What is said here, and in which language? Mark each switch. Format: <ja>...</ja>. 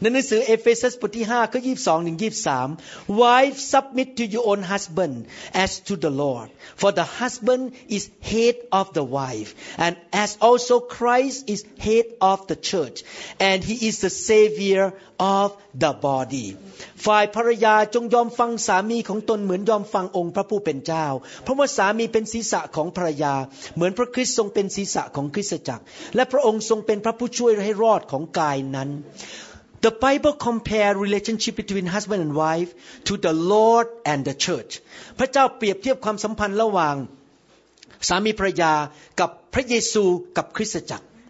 <th>ในหนังสือเอเฟซัสบทที่5ข้อ22ถึง23</th> <en>Wives submit to your own husband as to the Lord. For the husband is head of the wife, and as also Christ is head of the church, and he is the savior of the body.</en> <th>ฝ่ายภรรยาจงยอมฟังสามีของตนเหมือนยอมฟังองค์พระผู้เป็นเจ้าเพราะว่าสามีเป็นศีรษะของภรรยาเหมือนพระคริสต์ทรงเป็นศีรษะของคริสตจักรและพระองค์ทรงเป็นพระผู้ช่วยให้รอดของกายนั้น</th> <en>The Bible compare relationship between husband and wife to the Lord and the church</en> <th>พระเจ้าเปรียบเทียบความสัมพันธ์ระหว่างสามีภรรยากับพระเยซูกับคริสตจักร</th>